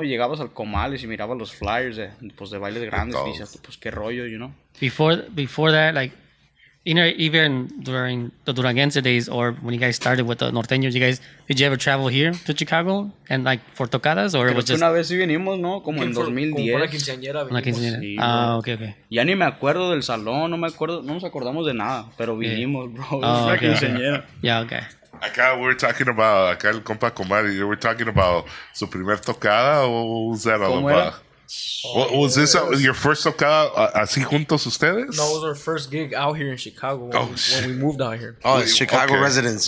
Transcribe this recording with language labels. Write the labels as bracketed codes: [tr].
[es] Llegabas al Comales y mirabas los flyers de bailes grandes. Y decías, pues, qué rollo, you know? [en] Before that, like... You know, even during the duranguense days or when you guys started with the norteño, did you ever travel here to Chicago and like for tocadas or it was just... [es] Una vez sí vinimos, ¿no? Como en 2010. Como una quinceañera. Sí, ah, okay. Ya ni me acuerdo del salón, no nos acordamos de nada, pero vinimos, bro. Oh, una quinceañera. [en] Yeah, okay. [es] Acá el compa Comar, [en] you were talking about [es] su primer tocada o usar a Lomba. [en] Oh, was this your first tocada [es] así juntos ustedes? [en] No, it was our first gig out here in Chicago when we moved out here. Oh, it's Chicago residence.